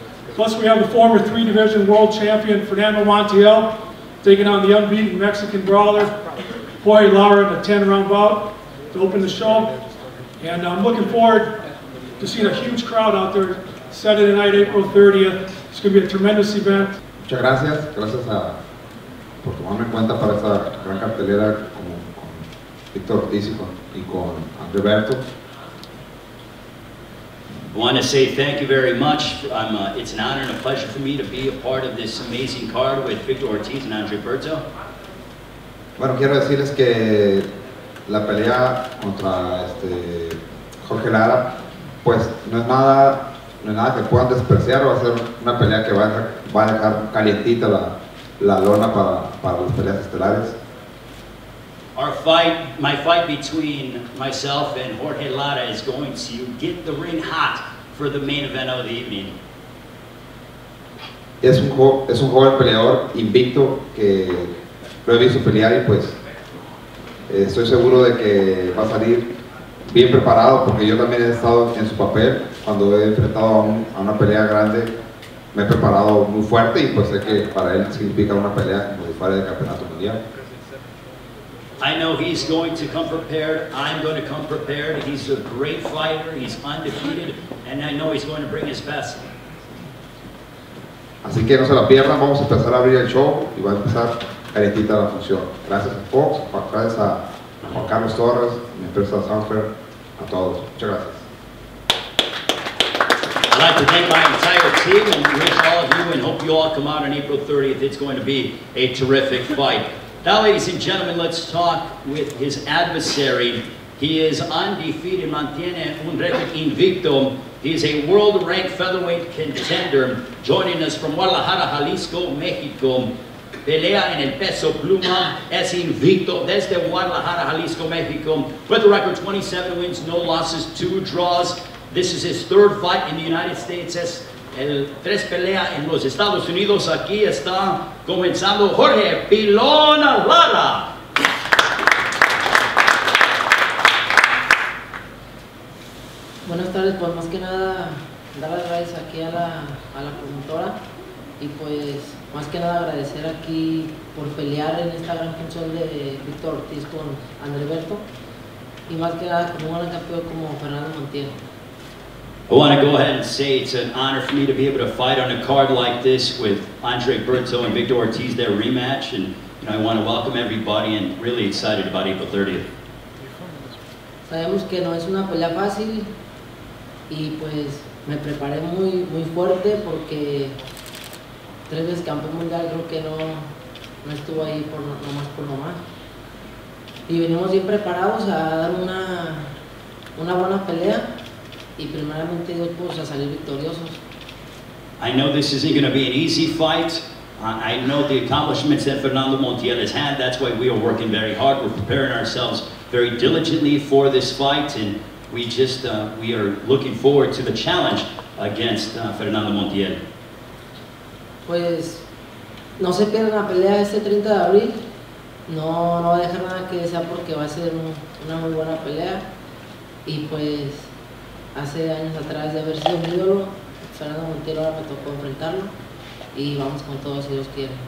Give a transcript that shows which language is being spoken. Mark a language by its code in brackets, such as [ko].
[en] Plus we have the former three-division world champion Fernando Montiel taking on the unbeaten Mexican brawler Jorge Lara in a 10-round bout to open the show. And I'm looking forward to seeing a huge crowd out there Saturday night, April 30th. It's going to be a tremendous event. [es] Muchas gracias. Gracias por tomarme en cuenta para esta gran cartelera con Victor Ortiz y con Andre Berto. [en] I want to say thank you very much. It's an honor and a pleasure for me to be a part of this amazing card with Victor Ortiz and Andre Berto. [es] Bueno, quiero decirles que la pelea contra Jorge Lara, pues no es nada que puedan despreciar. Va a ser una pelea que va a dejar calientita la lona para las peleas estelares. [en] Our fight, my fight between myself and Jorge Lara is going to get the ring hot for the main event of the evening. [es] Es un joven peleador invicto que lo he visto pelear y pues estoy seguro de que va a salir bien preparado porque yo también he estado en su papel cuando he enfrentado a una pelea grande. Me he preparado muy fuerte y pues sé que para él significa una pelea como si fuera de campeonato mundial. [en] I know he's going to come prepared. I'm going to come prepared. He's a great fighter. He's undefeated, and I know he's going to bring his best. [es] Así que no se la pierdan. Vamos a empezar a abrir el show y va a empezar calentita la función. Gracias a Fox, gracias a Juan Carlos Torres, mi empresa Sanfer, a todos. Muchas gracias. [en] I'd like to thank my entire team and wish all of you and hope you all come out on April 30th. It's going to be a terrific fight. Now, ladies and gentlemen, let's talk with his adversary. He is undefeated, [es] mantiene un record invicto. [en] He is a world-ranked featherweight contender joining us from Guadalajara, Jalisco, Mexico. [es] Pelea en el peso pluma, es invicto desde Guadalajara, Jalisco, Mexico. [en] With a record 27 wins, no losses, 2 draws. This is his third fight in the United States. [es] Es el tres pelea en los Estados Unidos. Aquí está comenzando Jorge Pilón Lara. Buenas tardes, pues más que nada, dar las gracias aquí a la promotora y pues más que nada agradecer aquí por pelear en esta gran función de Victor Ortiz con Andre Berto y más que nada como un campeón como Fernando Montiel. [en] I want to go ahead and say it's an honor for me to be able to fight on a card like this with Andre Berto and Victor Ortiz, their rematch, and you know, I want to welcome everybody and really excited about April 30th. [es] Sabemos que no es una pelea fácil y pues me preparé muy muy fuerte porque tres veces campeón mundial creo que no estuvo ahí por nomás. Y venimos bien preparados a dar una buena pelea. Y primeramente Dios, pues, a salir victoriosos. [en] I know this isn't going to be an easy fight. I know the accomplishments that Fernando Montiel has had. That's why we are working very hard. We're preparing ourselves very diligently for this fight. And we just we are looking forward to the challenge against Fernando Montiel. [es] Pues no se pierdan la pelea este 30 de abril. No va a dejar nada que desear porque va a ser una muy buena pelea. Y pues hace años atrás de haber sido un ídolo, Fernando Montiel ahora me tocó enfrentarlo y vamos con todo si Dios quiere.